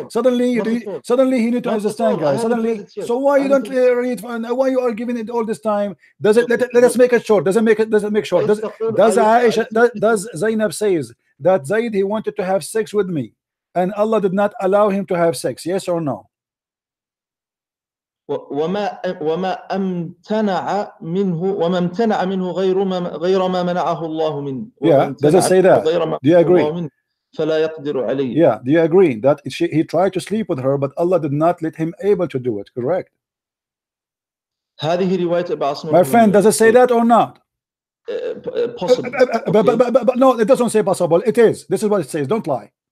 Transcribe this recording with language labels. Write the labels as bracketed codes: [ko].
[en] Suddenly he need to understand, guys. Suddenly, so why you don't read? Why you are giving it all this time? Does it? Let us make it short. Does it make short? Does Aisha? Does Zainab says that Zaid he wanted to have sex with me, and Allah did not allow him to have sex? Yes or no? [ar] وما امتنع منه غير ما منعه الله من. [en] Yeah, does it say that? Do you agree? [ar] فلا يقدر عليه. [en] Yeah, do you agree that he tried to sleep with her, but Allah did not let him able to do it? Correct. [ar] هذه رواية بعصم. [en] My friend, does it say that or not? Possible. But no, it doesn't say possible. It is. This is what it says. Don't lie.